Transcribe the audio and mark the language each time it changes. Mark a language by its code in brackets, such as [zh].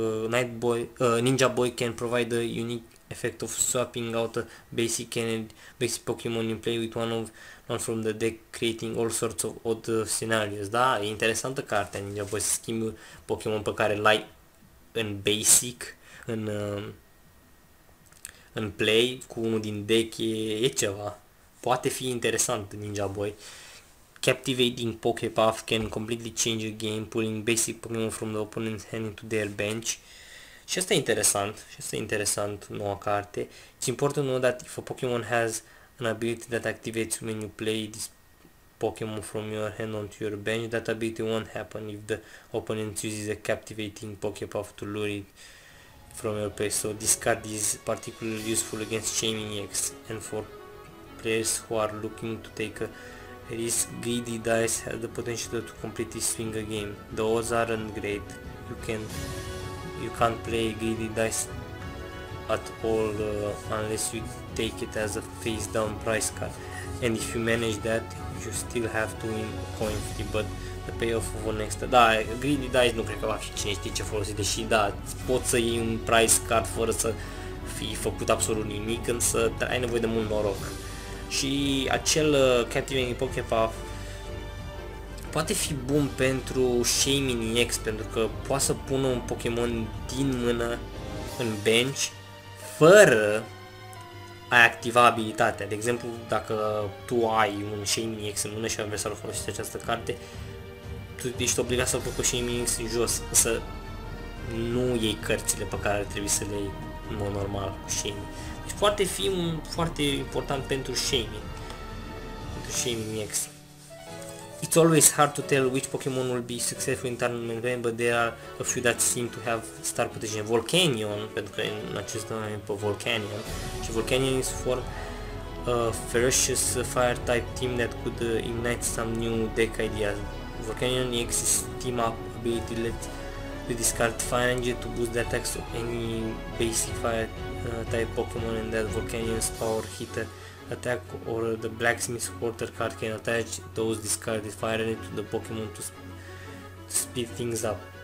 [en] Ninja Boy can provide a unique effect of swapping out a basic energy, basic Pokemon in play with one from the deck, creating all sorts of odd scenarios. [ro] Da, e interesantă cartea Ninja Boy, să schimbi Pokemon pe care l-ai în basic, în play cu unul din deck, e ceva. Poate fi interesant Ninja Boy. [en] Captivating Pokepuff can completely change a game, pulling basic Pokemon from the opponent's hand into their bench. [ro] Și asta e interesant, noua carte. [en] It's important to know that if a Pokemon has an ability that activates when you play this Pokemon from your hand onto your bench, that ability won't happen if the opponent uses a captivating Pokepuff to lure it from your play. So this card is particularly useful against Chaining X and for players who are looking to take a risk. Greedy Dice has the potential to completely swing a game. The odds aren't great. You can't play Greedy Dice at all unless you take it as a face down price card. And if you manage that, you still have to win coin flip, but the payoff of an extra. [ro] Da, Greedy Dice nu cred că va fi cine știe ce folosit, deși da, poți să iei un price card fără să fii făcut absolut nimic, însă ai nevoie de mult noroc. Și acel Captivating Pokepuff poate fi bun pentru Shaymin X, pentru că poate să pună un Pokemon din mână în bench fără a activa abilitatea. De exemplu, dacă tu ai un Shaymin X în mână și adversarul folosește această carte, tu ești obligat să-l pui cu Shaymin X în jos, să nu iei cărțile pe care trebuie să le iei în mod normal cu Shaymin. Deci poate fi foarte important pentru Shaymin, pentru Shaymin X. [en] It's always hard to tell which Pokemon will be successful in tournament, but there are a few that seem to have star potential. Volcanion, [ro] pentru că în acest moment pe Volcanion, și [en] Volcanion is for a ferocious fire type team that could ignite some new deck ideas. Volcanion EX is team up ability, let you discard fire energy to boost the attacks of any basic fire type Pokemon, and that Volcanion's power hitter attack or the blacksmith supporter card can attach those discarded fire energy to the Pokemon to speed things up.